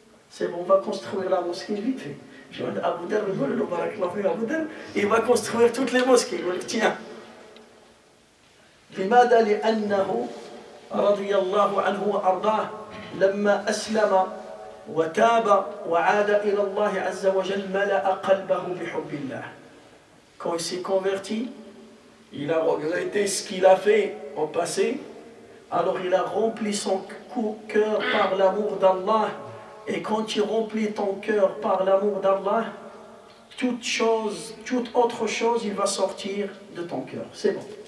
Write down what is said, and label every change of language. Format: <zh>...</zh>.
<fr>C'est bon, on va construire la mosquée vite fait. Je vais dire à Boudin, le volet, on va réclamer à Boudin, il va construire toutes les mosquées. Il va dire, tiens.</fr> <ar>لماذا لأنه رضي الله عنه وأرضاه لما أسلم وتاب وعاد إلى الله عز وجل ملأ قلبه بحب الله.</ar> <fr>Quand il s'est converti, il a regretté ce qu'il a fait au passé. Alors il a rempli son cœur par l'amour d'Allah. Et quand tu remplis ton cœur par l'amour d'Allah, toute autre chose, il va sortir de ton cœur. C'est bon.</fr>